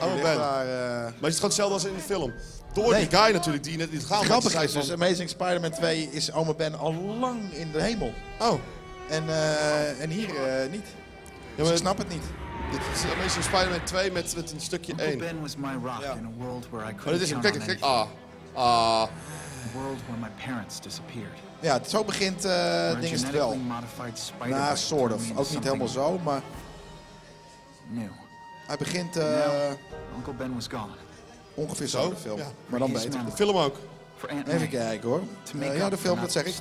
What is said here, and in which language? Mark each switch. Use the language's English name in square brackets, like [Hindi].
[Dutch] Ome Ben. Daar, Maar is het gewoon hetzelfde als in de film? Door die guy natuurlijk, die net niet gaat. Grappig is, dus Amazing Spider-Man 2 is ome Ben al lang in de hemel. Oh. En hier niet. Ja, maar... Dus ik snap het niet. Dit is meestal Spider-Man 2 met een stukje 1. [English] Ben was my rock in a world where I couldn't count on anything. [Dutch] Kijk, [English] A world where my parents disappeared. [Dutch] Ja, zo begint dingen het wel. [English] Nah, sort of. [Dutch] Ook niet helemaal zo, maar... New. Hij begint... [English] Uncle Ben was gone. [Dutch] Ongeveer zo, de film. Ja. Maar dan beter. De film ook. Even kijken hoor. Ja, de film, dat zeg ik.